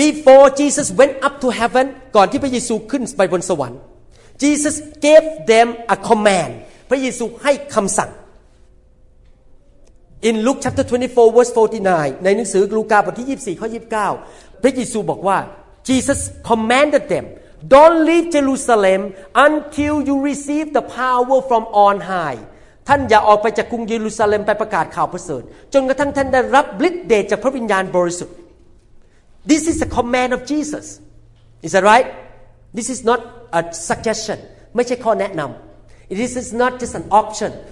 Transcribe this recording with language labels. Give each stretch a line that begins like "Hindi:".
English: Before Jesus went up to heaven,
Thai: ก่อนที่พระเยซูขึ้นไปบนสวรรค์
English: Jesus gave them a command.
Thai: พระเยซูให้คำสั่ง.
English: In Luke chapter 24 verse 49,
Thai: ในหนังสือลูกาบทที่24ข้อ29, พระเยซูบอกว่า
English: Jesus commanded them. Don't leave Jerusalem until you receive the power from on high.
Thai: ท่านอย่าออกไปจากกรุงเยรูซาเล็มไปประกาศข่าวประเสริฐจนกระทั่งท่านได้รับฤทธิ์เดชจากพระวิญญาณบริสุทธิ์
English: This is a command of Jesus. Is that right? This is not a suggestion.
Thai: ไม่ใช่ข้อแนะนำ
English: This is not just an option.